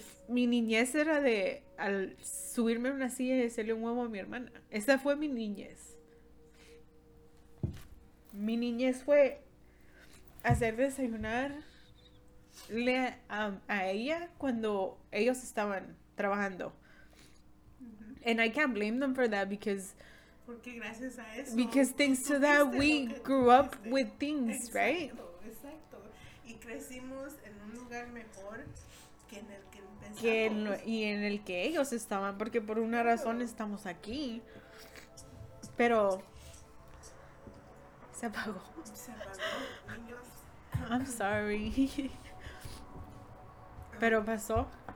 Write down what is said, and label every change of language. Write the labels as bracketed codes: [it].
[es] Mi niñez era de, al subirme a una silla y hacerle un huevo a mi hermana, esa fue mi niñez. Mi niñez fue hacer desayunarle a ella cuando ellos estaban trabajando. Mm-hmm. [en] And I can't blame them for that because... [es] Porque gracias a eso... [en] Because thanks to that, we grew up with things, [es] exacto, [en] right? [es] Exacto. Y crecimos en un lugar mejor que en el que empezamos. Y en el que ellos estaban, porque por una razón estamos aquí. Pero... Se apagó. [en] I'm sorry. [es] Pero pasó.